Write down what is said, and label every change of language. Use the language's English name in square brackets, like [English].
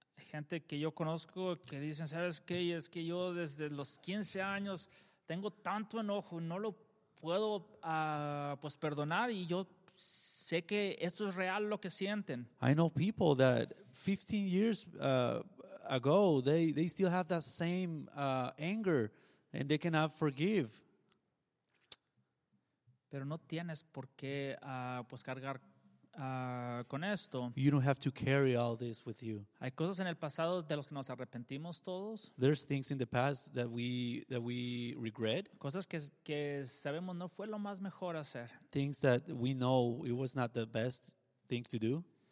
[Spanish] Gente que yo conozco que dicen, ¿sabes qué? Es que yo desde los 15 años tengo tanto enojo, no lo puedo pues perdonar, y yo sé que esto es real lo que sienten. [English] I know people that 15 years ago they still have that same anger and they cannot forgive. [Spanish] Pero no tienes por qué pues cargar con esto. [English] You don't have to carry all this with you. [Spanish] Hay cosas en el pasado de los que nos arrepentimos todos. [English] There's things in the past that we regret. [Spanish] Cosas que sabemos no fue lo más mejor hacer. [English] Things that we know it was not the best thing to do.